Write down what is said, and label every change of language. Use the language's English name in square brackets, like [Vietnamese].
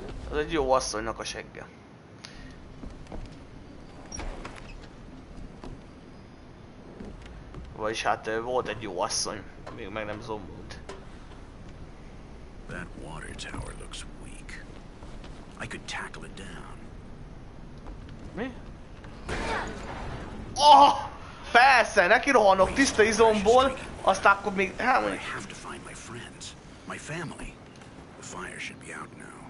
[Hungarian] Ez egy jó asszonynak a segge. Vagyis hát volt egy jó asszony, még meg nem zombult. [English] That water tower looks weak. I could tackle it down. [Hungarian] Mi? [English] Oh! [Hungarian] Persze, neki rohanok tiszta izomból, aztán akkor még elmondjuk. [English] I have to find my friends, my family. The fire should be out now.